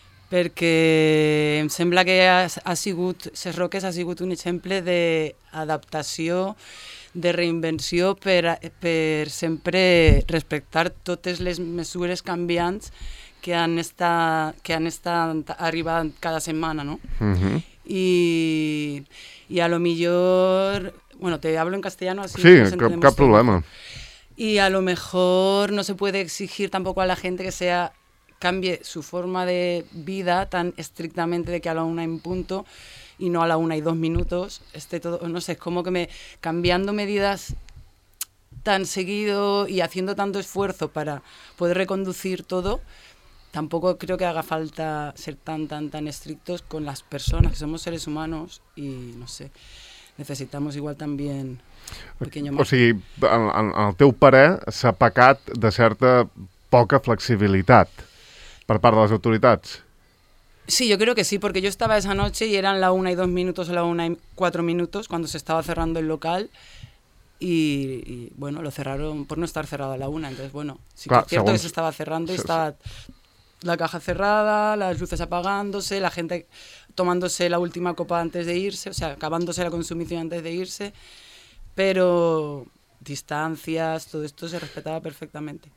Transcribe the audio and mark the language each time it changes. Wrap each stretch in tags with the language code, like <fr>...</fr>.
<ca>Perquè em sembla que Ses Roques ha sigut un exemple d'adaptació, de reinvenció per sempre respectar totes les mesures canviants que han estat arribant cada setmana, no? Mm-hmm. I a lo millor,</ca> <es>bueno, te hablo en castellano, así</es> <ca>sí, cap problema.</ca> <es>I a lo mejor no se puede exigir tampoco a la gente que sea cambie su forma de vida tan estrictamente de que a la una en punto y no a la una y dos minutos esté todo, no sé, es como que me cambiando medidas tan seguido y haciendo tanto esfuerzo para poder reconducir todo, tampoco creo que haga falta ser tan estrictos con las personas, que somos seres humanos y no sé, necesitamos igual también un pequeño</es> <ca>margen. O sigui, en el teu parer s'ha pecat de certa poca flexibilitat per part de les autoritats?</ca> <es>Sí, yo creo que sí, porque yo estaba esa noche y eran la una y dos minutos, la una y cuatro minutos cuando se estaba cerrando el local y bueno, lo cerraron por no estar cerrado a la una, entonces bueno, sí que es cierto que se estaba cerrando y estaba la caja cerrada, las luces apagándose, la gente tomándose la última copa antes de irse, o sea, acabándose la consumición antes de irse, pero distancias, todo esto se respetaba perfectamente.</es>